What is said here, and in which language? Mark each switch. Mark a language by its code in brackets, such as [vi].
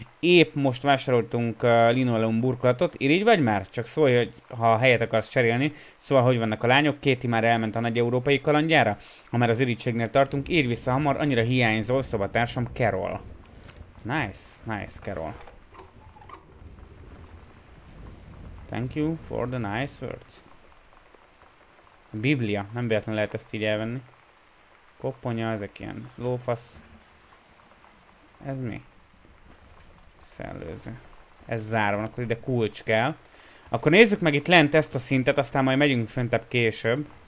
[hu] Épp most vásároltunk linoleum burkolatot, irigy vagy már? Csak szólj, hogy ha helyet akarsz cserélni, szóval hogy vannak a lányok, Kéti már elment a nagy európai kalandjára. Ha már az irigységnél tartunk, írj vissza hamar, annyira hiányzó szobatársam Carol. [en] Nice, nice Carol. Thank you for the nice words. [hu] Biblia. Nem véletlenül lehet ezt így elvenni. Koponya, ezek ilyen lófasz. Ez mi? Szellőző. Ez zárva, akkor ide kulcs kell. Akkor nézzük meg itt lent ezt a szintet, aztán majd megyünk föntebb később.